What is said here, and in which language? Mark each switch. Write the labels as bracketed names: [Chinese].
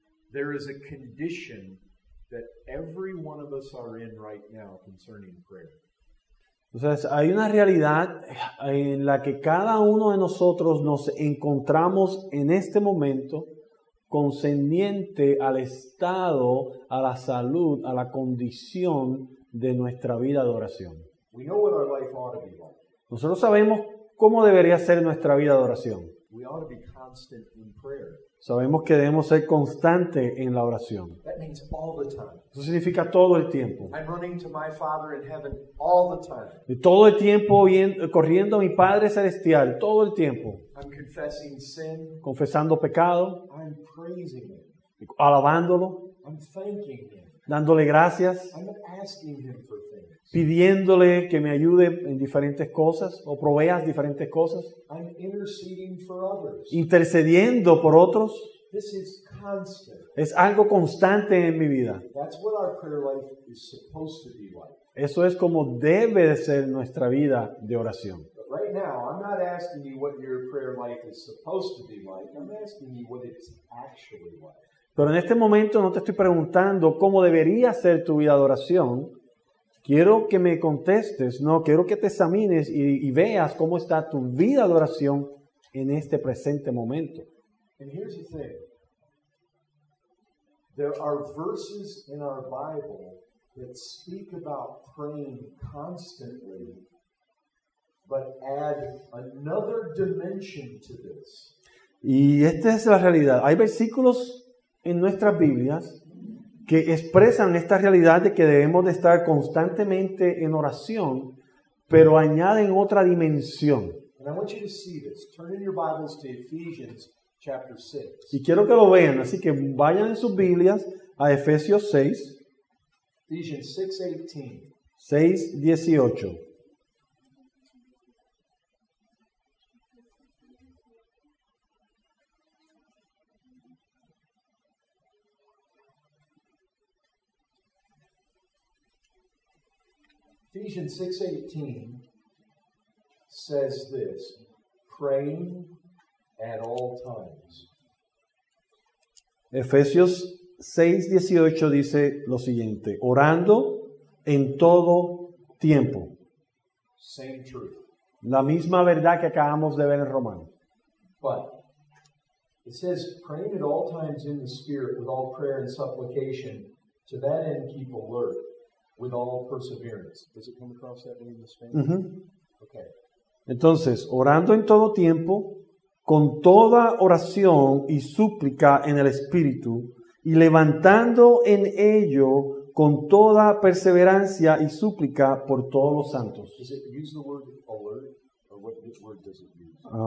[English] There is a condition that every one of us are in right now concerning prayer. [Spanish] Entonces, hay una realidad en la que cada uno de nosotros nos encontramos en este momento concerniente al estado, a la salud, a la condición de nuestra vida de oración. [English] We know what our life ought to be like. [Spanish] Nosotros sabemos ¿cómo debería ser nuestra vida de oración? [English] We ought to be constant in prayer. [Spanish] Sabemos que debemos ser constantes en la oración. [English] That means all the time. [Spanish] Eso significa todo el tiempo. [English] I'm running to my Father in heaven all the time. [Spanish] Y todo el tiempo corriendo a mi Padre celestial, todo el tiempo. [English] I'm confessing sin. [Spanish] Confesando pecado. [English] I'm praising him. [Spanish] Alabándolo. [English] I'm thanking him. [Spanish] Dándole gracias. [English] I'm asking him for things. [Spanish] Pidiéndole que me ayude en diferentes cosas o proveas diferentes cosas. [English] I'm interceding for others. [Spanish] Intercediendo por otros. [English] This is constant. [Spanish] Es algo constante en mi vida. [English] That's what our prayer life is supposed to be like. [Spanish] Eso es como debe de ser nuestra vida de oración. [English] Right now, I'm not asking you what your prayer life is supposed to be like. I'm asking you what it's actually like. [Spanish] Pero en este momento no te estoy preguntando cómo debería ser tu vida de oración. Quiero que me contestes, no, quiero que te examines y veas cómo está tu vida de oración en este presente momento. [English] And here's the thing. There are verses in our Bible that speak about praying constantly, but add another dimension to this. [Spanish] Y esta es la realidad. Hay versículos en nuestras Biblias que expresan esta realidad de que debemos de estar constantemente en oración, pero añaden otra dimensión. Y quiero que lo vean, así que vayan en sus Biblias a Efesios 6. [English] Ephesians 6:18. 6:18. Ephesians 6:18 says this, praying at all times. [Spanish] Efesios 6:18 dice lo siguiente, orando en todo tiempo. [English] Same truth. [Spanish] La misma verdad que acabamos de ver en Romanos. [English] But it says, praying at all times in the Spirit with all prayer and supplication, to that end keep alert. With all perseverance. Does it come across that way in the Spanish? Mm-hmm. Okay. [Spanish] Entonces, orando en todo tiempo, con toda oración y súplica en el Espíritu, y levantando en ello con toda perseverancia y súplica por todos los santos. [English] Does it use the word alert, or what word does it use?